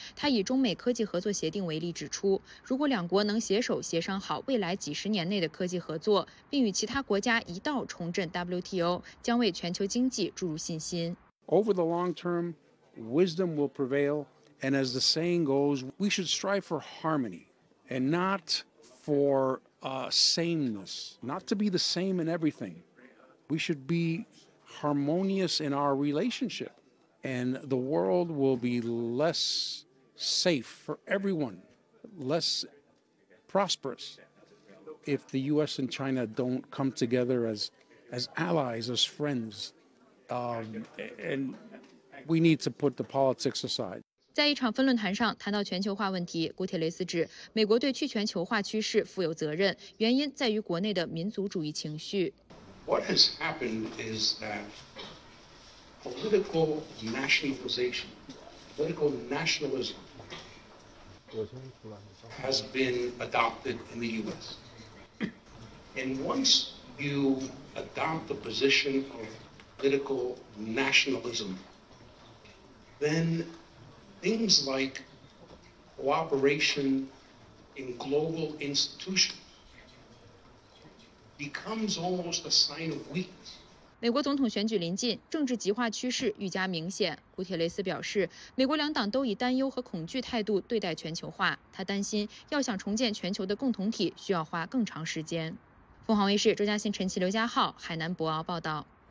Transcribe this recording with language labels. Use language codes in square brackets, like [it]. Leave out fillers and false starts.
[zh] 他以中美科技合作协定为例指出，如果两国能携手协商好未来几十年内的科技合作，并与其他国家一道重振 WTO， 将为全球经济注入信心。 [en] Over the long term, wisdom will prevail, and as the saying goes, we should strive for harmony and not for sameness, not to be the same in everything. We should beharmonious in our relationship, and the world will be less safe for everyone, less prosperous if the U.S. and China don't come together as allies, as friends, and we need to put the politics aside. [zh] 在一场分论坛上谈到全球化问题，古铁雷斯指美国对去全球化趋势负有责任，原因在于国内的民族主义情绪。 [en] What has happened is that political nationalism has been adopted in the U.S. And once you adopt the position of political nationalism, then things like cooperation in global institutions,becomes almost a sign of weakness. [zh] 美国总统选举临近，政治极化趋势愈加明显。古铁雷斯表示，美国两党都以担忧和恐惧态度对待全球化。他担心，要想重建全球的共同体，需要花更长时间。凤凰卫视周嘉欣、陈琦、刘家浩，海南博鳌报道。